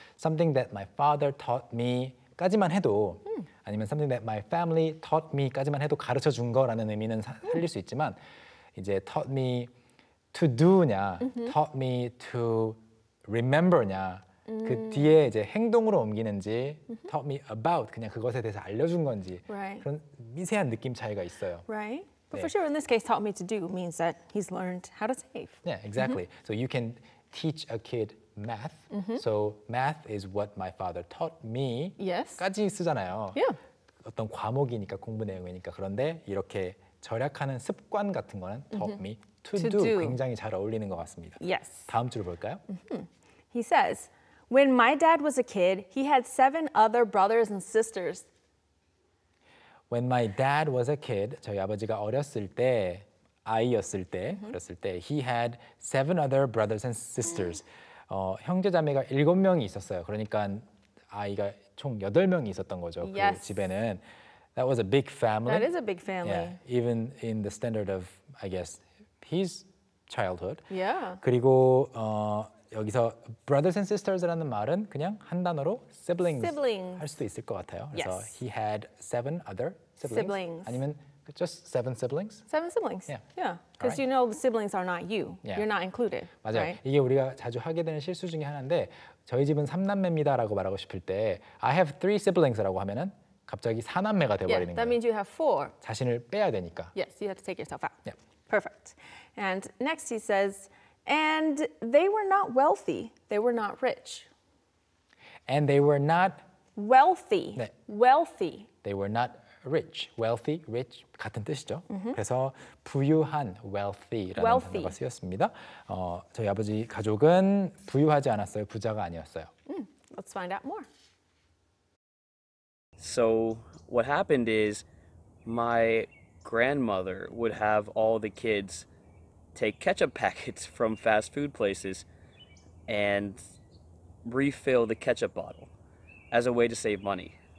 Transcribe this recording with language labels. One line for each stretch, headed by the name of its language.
English: Something that my father taught me
Korean: 까지만 해도 아니면
English: something that my family taught me
Korean: 까지만 해도 가르쳐 준 거라는 의미는 살릴 수 있지만 이제
English: taught me to do
Korean: 냐,
English: taught me to remember
Korean: 냐 그 뒤에 이제 행동으로 옮기는지
English: taught me about
Korean: 그냥 그것에 대해서 알려준 건지
English: right.
Korean: 그런 미세한 느낌 차이가 있어요.
English: Right. But 네. for sure, in this case, taught me to do means that he's learned how to save. Yeah, exactly. Mm-hmm. So you can teach a kid math. Mm-hmm. So math is what my father taught me. Yes.
Korean: 까지 쓰잖아요.
English: Yeah.
Korean: 어떤 과목이니까 공부 내용이니까 그런데 이렇게 절약하는 습관 같은 거는 taught mm-hmm.
English: me to do
Korean: 굉장히 잘 어울리는 것 같습니다.
English: Yes.
Korean: 다음 줄 볼까요?
English: Mm-hmm. He says, when my dad was a kid, he had 7 other brothers and sisters. When my dad was a kid,
Korean: 저희 아버지가 어렸을 때, 아이였을 때,
English: mm-hmm.
Korean: 어렸을 때,
English: he had 7 other brothers and sisters. Mm-hmm.
Korean: 형제자매가 7명이 있었어요. 그러니까 아이가 총 8명이 있었던 거죠.
English: Yes.
Korean: 그 집에는.
English: That was a big family. That is a big family. Yeah, even in the standard of, I guess, his childhood. Yeah.
Korean: 그리고 여기서 brothers and sisters라는 말은 그냥 한 단어로 siblings 할 수도 있을 것 같아요. 그래서
English: yes. he had 7 other siblings. 아니면 just 7 siblings? 7 siblings. Yeah. Yeah. Because right. you know siblings are not you. Yeah. You're not included.
Korean: 맞아요.
English: Right?
Korean: 이게 우리가 자주 하게 되는 실수 중에 하나인데 저희 집은 3남매입니다라고 말하고 싶을 때
English: I have 3 siblings
Korean: 라고 하면은 갑자기 4남매가 되어버리는
English: yeah, that means you have 4.
Korean: 자신을 빼야 되니까.
English: Yes, you have to take yourself out. Yeah. Perfect. And next he says, and they were not wealthy. They were not rich. And they were not wealthy.
Korean: 네.
English: Wealthy. They were not rich. Wealthy, rich,
Korean: 같은 뜻이죠.
English: Mm-hmm.
Korean: 그래서 부유한, wealthy라는
English: wealthy.
Korean: 단어가 쓰였습니다. 저희 아버지 가족은 부유하지 않았어요. 부자가 아니었어요.
English: Let's find out more. So what happened is my grandmother would have all the kids take ketchup packets from fast food places and refill the ketchup bottle as a way to save money.